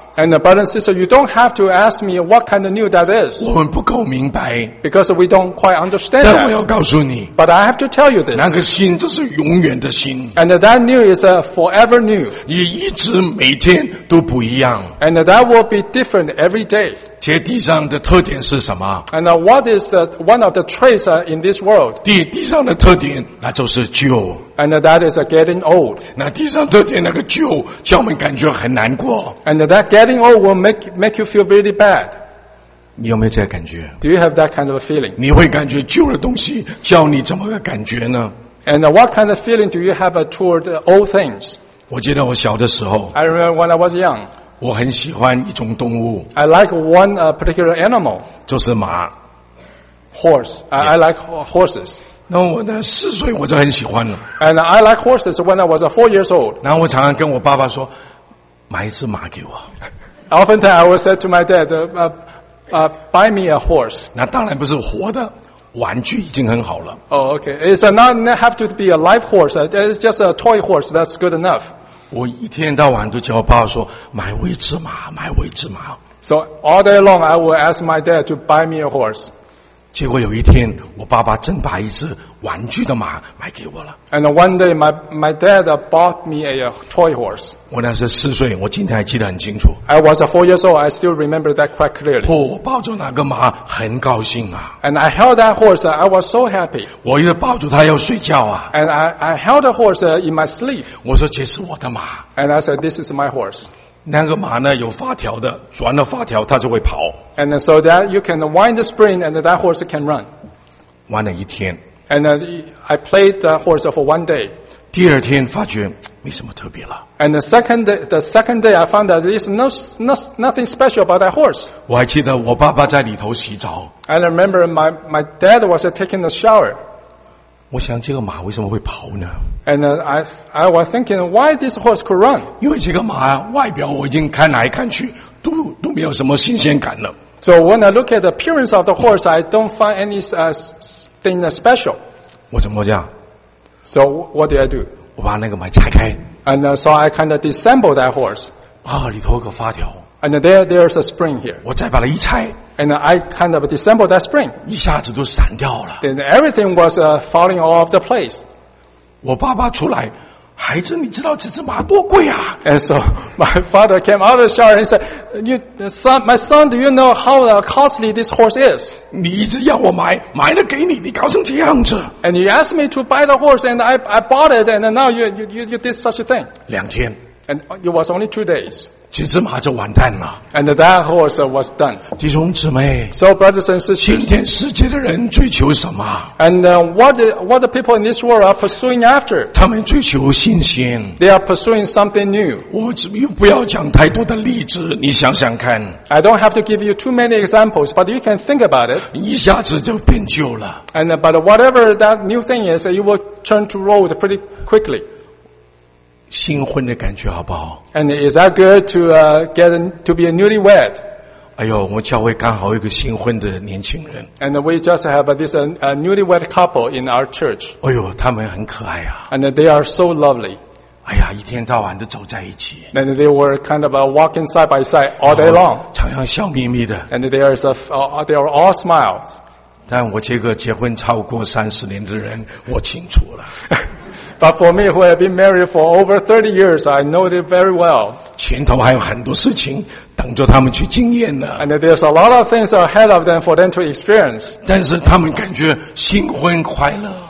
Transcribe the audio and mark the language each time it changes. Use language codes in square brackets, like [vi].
[en] And the brother and sister, you don't have to ask me what kind of new that is. [zh] 我们不够明白。 [en] Because we don't quite understand. [zh] 但我要告诉你。 [en] But I have to tell you this. [zh] 那个新就是永远的新。 [en] And that new is a forever new. [zh] 也一直每天都不一样。 [en] And that will be different every day. [zh] 这地上的特点是什么？ [en] And what is one of the traits in this world? [zh] 地上的特点，那就是旧。 [en] And that is getting old. [zh] 那地上特点那个旧，叫我们感觉很难过。 [en] And that getting old will make you feel really bad. [zh] 你有没有这个感觉？ [en] Do you have that kind of a feeling? [zh] 你会感觉旧的东西叫你怎么个感觉呢？ [en] And what kind of feeling do you have toward old things? [zh] 我记得我小的时候。 [en] I remember when I was young. [zh] 我很喜欢一种动物。 [en] I like one particular animal. [zh] 就是马。 [en] Horse. I like horses. [zh] 那我呢？四岁我就很喜欢了。 [en] And I like horses when I was 4 years old. [zh] 然后我常常跟我爸爸说，买一只马给我。 [en] Oftentimes I would say to my dad, buy me a horse. [zh] 那当然不是活的，玩具已经很好了。 [en] Oh, okay. It's not have to be a live horse. It's just a toy horse. That's good enough. [zh] 我一天到晚都叫我爸爸说，买我一只马，买我一只马。 [en] So all day long I would ask my dad to buy me a horse. [zh] 结果有一天，我爸爸真把一只玩具的马买给我了。 [en] And one day, my dad bought me a toy horse. [zh] 我那是四岁，我今天还记得很清楚。 [en] I was 4 years old. I still remember that quite clearly. [zh] 我抱着那个马很高兴啊。 [en] And I held that horse. I was so happy. [zh] 我又抱着它要睡觉啊。 [en] And I held the horse in my sleep. [zh] 我说这是我的马。 [en] And I said, this is my horse. [zh] 那个马呢有发条的，转了发条它就会跑。 [en] And so that you can wind the spring and that horse can run. [zh] 玩了一天。 [en] And I played the horse for one day. [zh] 第二天发觉没什么特别了。 [en] And the second day I found that there is nothing special about that horse. [zh] 我还记得我爸爸在里头洗澡。 [en] And I remember my dad was taking a shower. [zh] 我想这个马为什么会跑呢 [en] ？And I was thinking why this horse could run. [zh] 因为这个马外表我已经看来看去都没有什么新鲜感了。 [en] So when I look at the appearance of the horse, I don't find anything special. [zh] 我怎么这样 [en] ？So what did I do? [zh] 我把那个马拆开。 [en] And so I kind of disassemble that horse. [zh] 里头有个发条。 [en] And there's a spring here. [zh] 我再把它一拆。 [en] And I kind of disassembled that spring. [zh] 一下子都散掉了。 [en] Then everything was falling all over the place. [zh] 我爸爸出来，孩子，你知道这只马多贵啊 [en] ？And so my father came out of the shower and said, "You son, my son, do you know how costly this horse is?" [zh] 你一直要我买，买了给你，你搞成这样子。 [en] And you asked me to buy the horse, and I bought it, and now you did such a thing. [zh] 两天。 [en] And it was only 2 days. [zh] 这只马就完蛋了。 [en] And that horse was done. [zh] 弟兄姊妹。 [en] So brothers and sisters. [zh] 今天世界的人追求什么 [en] ？And what the people in this world are pursuing after? [zh] 他们追求新鲜。 [en] They are pursuing something new. [zh] 我又不要讲太多的例子，你想想看。 [en] I don't have to give you too many examples, but you can think about it. [zh] 一下子就变旧了。 [en] And but whatever that new thing is, you will turn to old pretty quickly. [zh] 新婚的感觉好不好 [en] ？And is that good to to be a newlywed？ [zh] 哎呦，我教会刚好有一个新婚的年轻人。 [en] And we just have this newlywed couple in our church。 [zh] 哎呦，他们很可爱啊。 [en] And they are so lovely。 [zh] 哎呀，一天到晚都走在一起。 [en] And they were kind of walking side by side all day long。 [zh] 常常笑眯眯的。 [en] And they are all smiles。 [zh] 但我这个结婚超过30年的人，我清楚了。 [en] But for me, who have been married for over 30 years, I know it very well. [zh] 前头还有很多事情等着他们去经验呢。 [en] And there's a lot of things ahead of them for them to experience. [zh] 但是他们感觉新婚快乐。